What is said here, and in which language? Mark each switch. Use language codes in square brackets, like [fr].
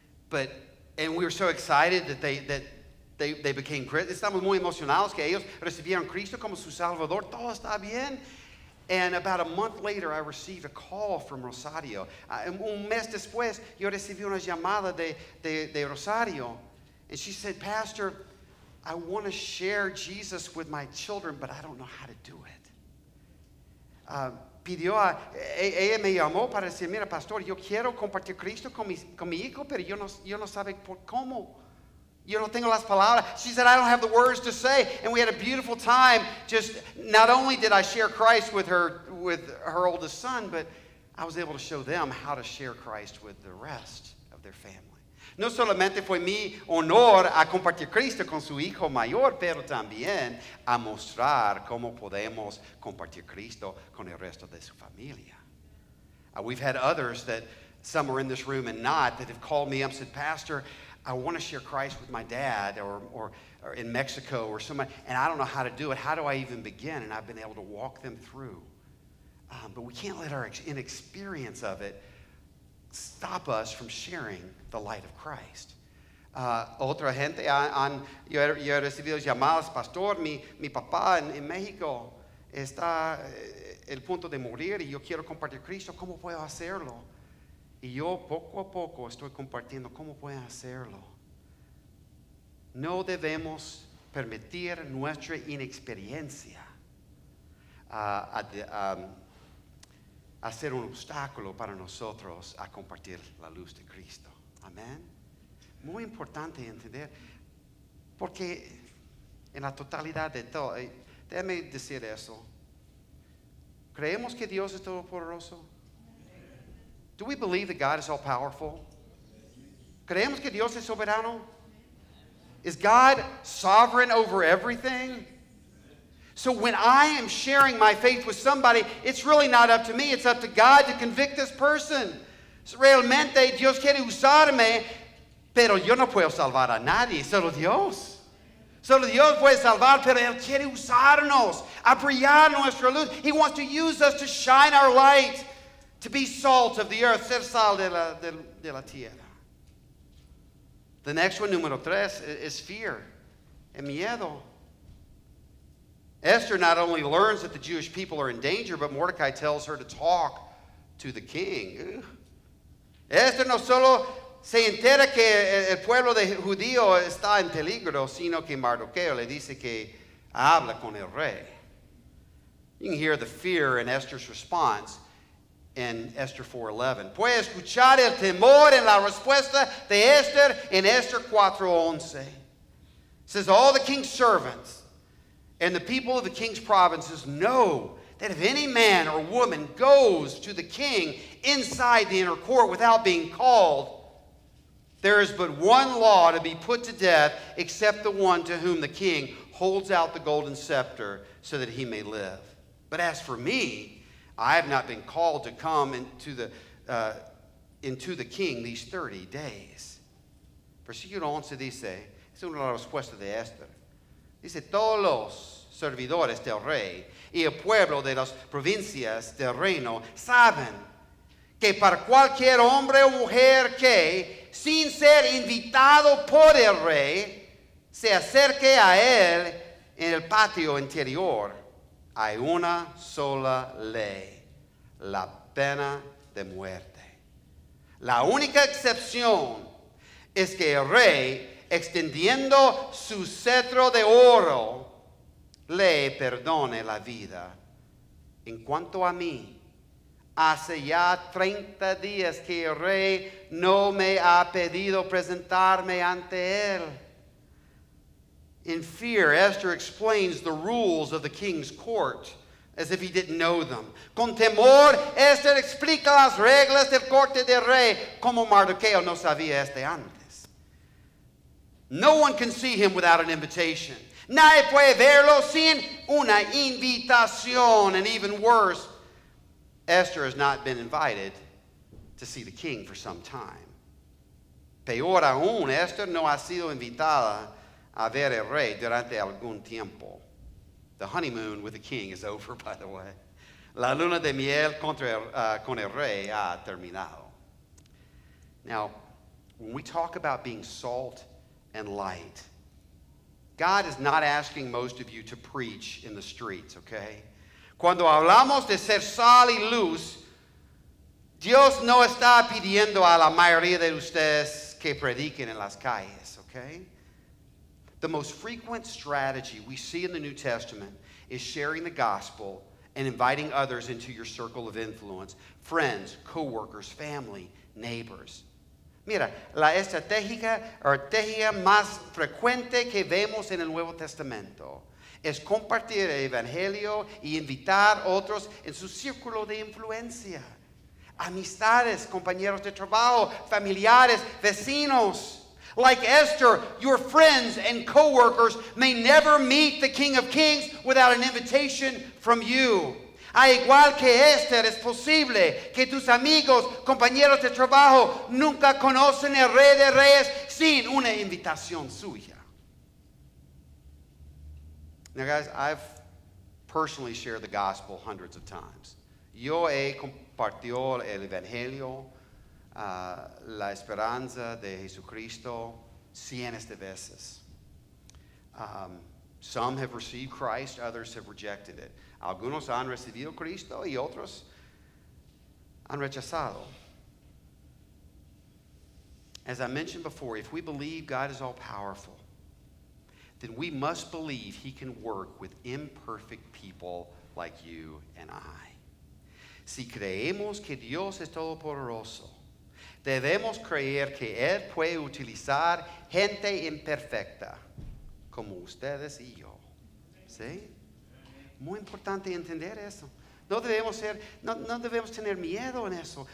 [en] And we were so excited that they became Christians. [es] Estamos muy emocionados que ellos recibieron Cristo como su Salvador. Todo está bien. [en] And about a month later, I received a call from Rosario. [es] Un mes después, yo recibí una llamada de Rosario. [en] And she said, Pastor, I want to share Jesus with my children, but I don't know how to do it. [es] Ella me llamó para decir, mira, pastor, yo quiero compartir Cristo con mi hijo, pero yo no sabe por cómo. Yo no tengo las palabras. [en] She said, I don't have the words to say. And we had a beautiful time. Just not only did I share Christ with her oldest son, but I was able to show them how to share Christ with the rest of their family. [es] No solamente fue mi honor a compartir Cristo con su hijo mayor, pero también a mostrar cómo podemos compartir Cristo con el resto de su familia. [en] We've had others that some are in this room and not that have called me up and said, Pastor, I want to share Christ with my dad or in Mexico or somebody, and I don't know how to do it. How do I even begin? And I've been able to walk them through. But we can't let our inexperience of it stop us from sharing the light of Christ. [es] Otra gente, yo he recibido llamadas, pastor, mi papá en México está el punto de morir y yo quiero compartir Cristo. ¿Cómo puedo hacerlo? Y yo poco a poco estoy compartiendo cómo pueden hacerlo. No debemos permitir nuestra inexperiencia hacer un obstáculo para nosotros a compartir la luz de Cristo. Amén. Muy importante entender, porque en la totalidad de todo, déjame decir eso. ¿Creemos que Dios es todopoderoso? [en] Do we believe that God is all powerful? [es] ¿Creemos que Dios es soberano? [en] Is God sovereign over everything? So when I am sharing my faith with somebody, it's really not up to me. It's up to God to convict this person. [es] Realmente Dios quiere usarme, pero yo no puedo salvar a nadie, solo Dios. Solo Dios puede salvar, pero Él quiere usarnos, a brillar nuestra luz. [en] He wants to use us to shine our light. To be salt of the earth, [es] ser sal de la tierra. [en] The next one, [es] número tres, [en] is fear, [es] el miedo. [en] Esther not only learns that the Jewish people are in danger, but Mordecai tells her to talk to the king. [es] Esther no solo se entera que el pueblo de judío está en peligro, sino que Mardoqueo le dice que habla con el rey. [en] You can hear the fear in Esther's response in Esther 4:11. [es] Puede escuchar el temor en la respuesta de Esther en Esther 4:11. [en] It says, all the king's servants and the people of the king's provinces know that if any man or woman goes to the king inside the inner court without being called, there is but one law to be put to death, except the one to whom the king holds out the golden scepter so that he may live. But as for me, I have not been called to come into the king these 30 days. [es] Versículo 11 dice, es una respuesta de Esther. Dice, todos los servidores del rey y el pueblo de las provincias del reino saben que para cualquier hombre o mujer que, sin ser invitado por el rey, se acerque a él en el patio interior, hay una sola ley, la pena de muerte. La única excepción es que el rey, extendiendo su cetro de oro, le perdone la vida. En cuanto a mí, hace ya 30 días que el rey no me ha pedido presentarme ante él. [en] In fear, Esther explains the rules of the king's court as if he didn't know them. [es] Con temor, Esther explica las reglas del corte del rey como Mardoqueo no sabía este antes. [en] No one can see him without an invitation. [es] Nadie puede verlo sin una invitación. [en] And even worse, Esther has not been invited to see the king for some time. [es] Peor aún, Esther no ha sido invitada a ver el rey durante algún tiempo. [en] The honeymoon with the king is over, by the way. [es] La luna de miel con el rey ha terminado. [en] Now, when we talk about being salt and light, God is not asking most of you to preach in the streets, okay? [es] Cuando hablamos de ser sal y luz, Dios no está pidiendo a la mayoría de ustedes que prediquen en las calles, okay? [en] The most frequent strategy we see in the New Testament is sharing the gospel and inviting others into your circle of influence, friends, coworkers, family, neighbors. [es] Mira, la estrategia más frecuente que vemos en el Nuevo Testamento es compartir el Evangelio y invitar otros en su círculo de influencia. Amistades, compañeros de trabajo, familiares, vecinos. [en] Like Esther, your friends and coworkers may never meet the King of Kings without an invitation from you. [es] A igual que Esther, es posible que tus amigos, compañeros de trabajo, nunca conocen el Rey de Reyes sin una invitación suya. [en] Now guys, I've personally shared the gospel hundreds of times. [es] Yo he compartido el Evangelio, la esperanza de Jesucristo, cientos de veces. [en] Some have received Christ, others have rejected it. [es] Algunos han recibido Cristo y otros han rechazado. [en] As I mentioned before, if we believe God is all powerful, then we must believe he can work with imperfect people like you and I. [es] Si creemos que Dios es todopoderoso, debemos creer que él puede utilizar gente imperfecta como ustedes y yo. ¿Sí? Muy importante entender eso. No debemos tener miedo en eso.